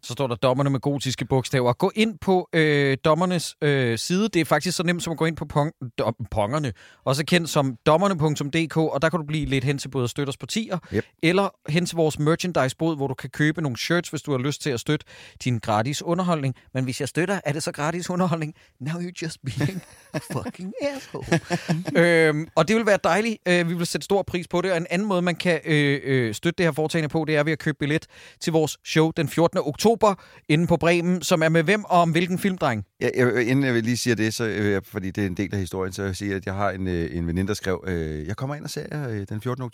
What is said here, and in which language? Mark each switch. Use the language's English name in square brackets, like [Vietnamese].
[Danish] Så står der dommerne med gotiske bogstaver. Gå ind på dommernes side. Det er faktisk så nemt som at gå ind på pongerne. Også kendt som dommerne.dk, og der kan du blive lidt hen til både at støtte os på tier, eller hen til vores merchandise-bod, hvor du kan købe nogle shirts, hvis du har lyst til at støtte din gratis underholdning. Men hvis jeg støtter, er det så gratis underholdning? [English] Now you're just being a fucking asshole. [Danish] og det vil være dejligt. Vi vil sætte stor pris på det, og en anden måde, man kan støtte det her foretagende på, det er ved at købe billet til vores show den 14. oktober inde på Bremen, som er med hvem og om hvilken filmdreng? Ja, inden jeg vil lige sige det, så, fordi det er en del af historien, så vil jeg sige, at jeg har en veninde, der skrev, jeg kommer ind og ser jer den 14.